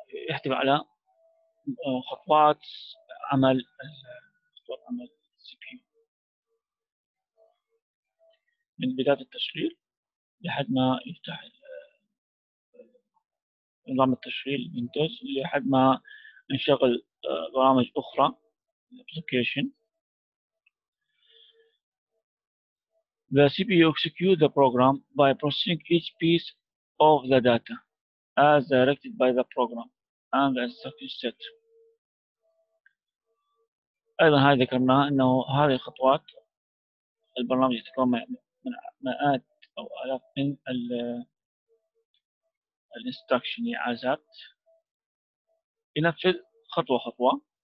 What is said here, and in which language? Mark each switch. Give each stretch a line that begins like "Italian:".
Arabic: يحتوي على خطوات عمل CPU من بداية التشغيل لحد ما يفتح نظام التشغيل Windows لحد ما نشغل برامج أخرى Application.
English: The CPU executes the program by processing each piece of the data as directed by the program and the instruction set.
Arabic: أيضا هاي ذكرنا أنه هذه الخطوات البرنامج يتكون من مئات أو آلاف من الانستركشن عازات ينفذ خطوة خطوة